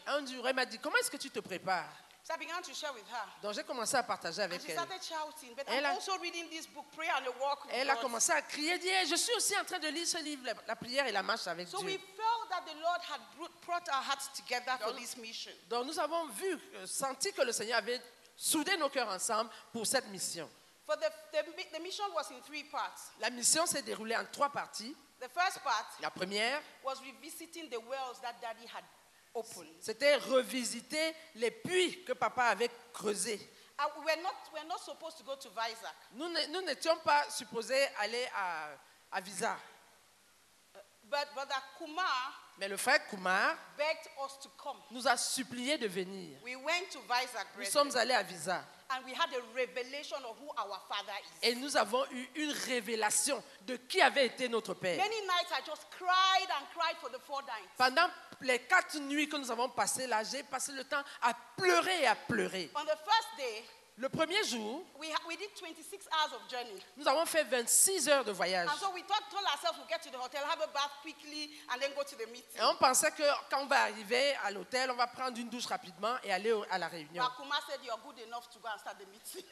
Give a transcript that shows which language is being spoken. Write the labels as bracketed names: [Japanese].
[French] Un jour elle m'a dit comment est-ce que tu te prépares? [English] So I began to share with her. [French] Donc j'ai commencé à partager avec [English] and she started [French] elle. [English] Shouting, but elle I'm a, also reading this book Prayer and a Walk with [French] elle A commencé à crier dit, je suis aussi en train de lire ce livre la prière et la marche avec [English] so [French] Dieu. [English] We that the Lord had brought our hearts together for this mission. [French] Donc nous avons vu, senti que le Seigneur avait soudé nos cœurs ensemble pour cette mission. [English] For the mission was in three parts. [French] La mission s'est déroulée en trois parties. [English] The first part [French] la première [English] was revisiting the wells that Daddy had opened. [French] C'était revisiter les puits que papa avait creusés. [English] We're not supposed to go to Vizag. [French] Nous n'étions pas supposés aller à Vizag. [English] But Brother Kumar, [French] mais le frère Kumar [English] begged us to come. [French] Nous a supplié de venir. [English] We went to Vizag, [French] nous sommes allés à Vizag. [English] And we had a revelation of who our father is. [French] Et nous avons eu une révélation de qui avait été notre père. [English] Many nights I just cried and cried for the four nights. [French] Pendant les quatre nuits que nous avons passées là, j'ai passé le temps à pleurer et à pleurer. [English] On the first day, [French] le premier jour, [English] we did 26 hours of journey. [French] Nous avons fait 26 heures de voyage. [English] And so we told ourselves we'll get to the hotel, have a bath quickly, and then go to the meeting. [French] Et on pensait que quand on va arriver à l'hôtel, on va prendre une douche rapidement et aller à la réunion. [English] But Kuma said you're good enough to go and start the meeting.